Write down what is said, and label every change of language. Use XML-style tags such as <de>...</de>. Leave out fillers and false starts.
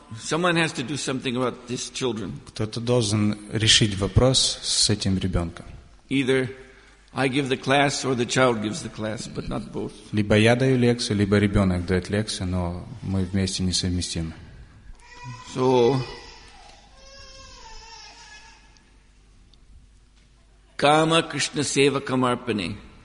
<en>Someone has to do something about these children.</en> <ru>Кто-то должен решить вопрос с этим ребенком.</ru> <en>Either I give the class or the child gives the class, but not both.</en> <ru>Либо я даю лекцию, либо ребенок дает лекцию, но мы вместе несовместимы.</ru> <sa>So, Kama Krishna Seva Kamarpani.</sa>